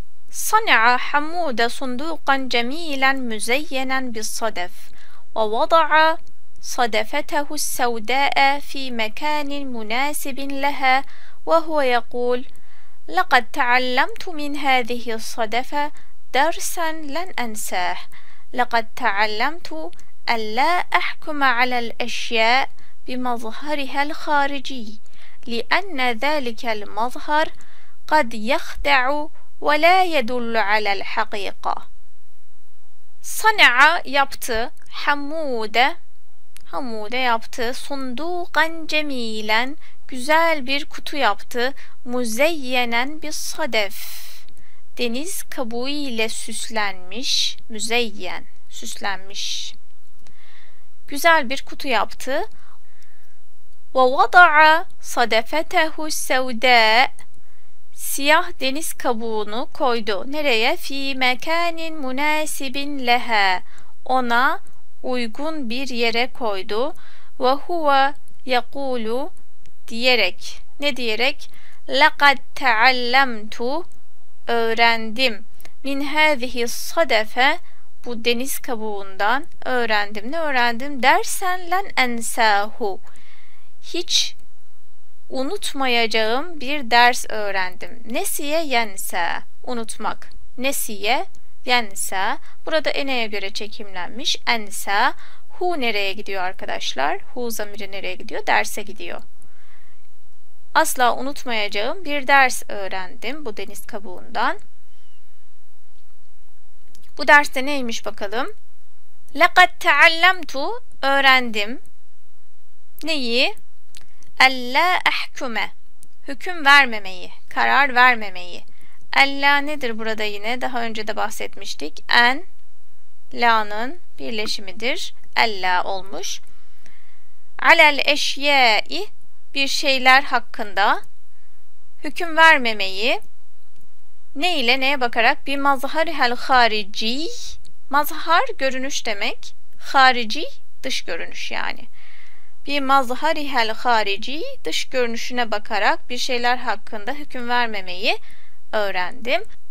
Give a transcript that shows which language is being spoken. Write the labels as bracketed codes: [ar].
[ar] Sana hammude sunduqan cemilen müzeyyenen bi sadef ve vada'a sadefetehu sevda'e fi mekanin münasibin leha ve huve yekul لقد تعلمت من هذه الصدفة درسا لن أنساه. لقد تعلمت ألا أحكم على الأشياء بمظهرها الخارجي، لأن ذلك المظهر قد يخدع ولا يدل على الحقيقة. صنع يبتي حمودة حمودة يبتي صندوقا جميلا [tr] güzel bir kutu yaptı. Muzeyyenen bir sadef. Deniz kabuğu ile süslenmiş. Müzeyyen. Süslenmiş. Güzel bir kutu yaptı. [ar] Ve vada'a sadefetehu sevde. [tr] Siyah deniz kabuğunu koydu. Nereye? [ar] Fi mekanin münasibin lehe. [tr] Ona uygun bir yere koydu. [ar] Ve huve yekulu [tr] diyerek. Ne diyerek? [ar] لَقَدْ تَعَلَّمْتُ [tr] öğrendim. [ar] مِنْ هَذِهِ الصَّدَفَ [tr] bu deniz kabuğundan öğrendim. Ne öğrendim? Dersen [ar] لَنْ أَنْسَاهُ [tr] hiç unutmayacağım bir ders öğrendim. [ar] Nesiye yense [tr] unutmak. Nesiye yense. Burada eneye göre çekimlenmiş. Ense hu nereye gidiyor arkadaşlar? Hu zamiri nereye gidiyor? Derse gidiyor. Asla unutmayacağım bir ders öğrendim bu deniz kabuğundan. Bu ders de neymiş bakalım? [ar] لَقَدْ تَعَلَّمْتُ [tr] öğrendim. Neyi? [ar] اَلَّا اَحْكُمَ [tr] hüküm vermemeyi, karar vermemeyi. اَلَّا nedir burada yine? Daha önce de bahsetmiştik. En, la'nın birleşimidir. اَلَّا olmuş. [ar] عَلَى الْاَشْيَاءِ [tr] bir şeyler hakkında hüküm vermemeyi ne ile neye bakarak [ar] bir mazhar hel harici [tr] mazhar görünüş demek harici dış görünüş yani bir mazhar hel harici dış görünüşüne bakarak bir şeyler hakkında hüküm vermemeyi öğrendim